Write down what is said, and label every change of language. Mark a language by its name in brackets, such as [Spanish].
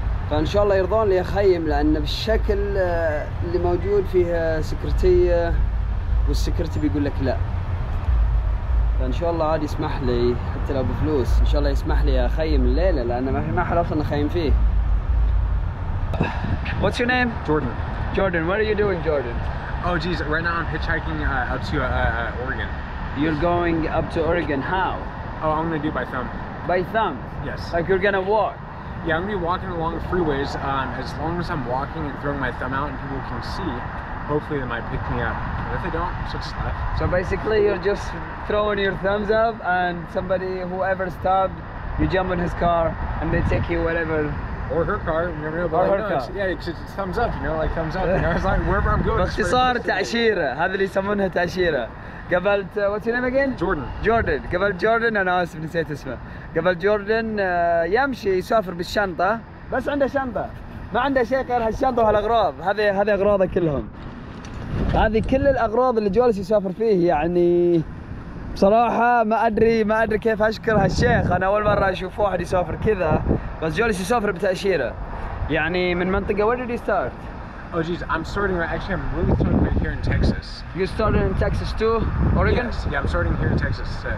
[Arabic] فان شاء الله يرضون لي اخيم، لان بالشكل اللي موجود فيها سكرتية والسكرتي بيقول لك لا، فان شاء الله عاد يسمح لي حتى لو بفلوس، ان شاء الله يسمح لي اخيم الليله، لان ما في محل اصلا اخيم فيه. [English] What's your name? Jordan. Jordan, what are you doing, Jordan? Oh geez, right now I'm hitchhiking up to Oregon. You're going up to Oregon, how? Oh, I'm gonna do by thumb. By thumb? Yes. Like you're gonna walk? Yeah, I'm gonna be walking along the freeways. As long as I'm walking and throwing my thumb out and people can see, hopefully they might pick me up. If they don't, so just left. So basically you're just throwing your thumbs up and somebody, whoever stopped, you jump in his car and they take you whatever. Or her car, you never know. Or her car. Yeah, because it's thumbs up, you know, like thumbs up. You know, it's like wherever I'm going. [Arabic] باختصار تأشيرة، هذا اللي يسمونها تأشيرة. قبلت [English] what's your name again? Jordan. [Arabic] قبلت Jordan، أنا آسف نسيت اسمه. قبلت Jordan يمشي يسافر بالشنطة، بس عنده شنطة، ما عنده شيء غير هالشنطة وهالأغراض. هذه أغراضه كلهم. هذه كل الأغراض اللي جالس يسافر فيه. يعني بصراحة ما أدري كيف أشكر هالشيخ. أنا أول مرة أشوف واحد يسافر كذا، بس جالس يسافر بتأشيرة. يعني من منطقة [English] where did you start? Oh geez, I'm starting right. Actually, I'm really starting right here in Texas. You started in Texas too, Oregon? Yes. Yeah, I'm starting here in Texas.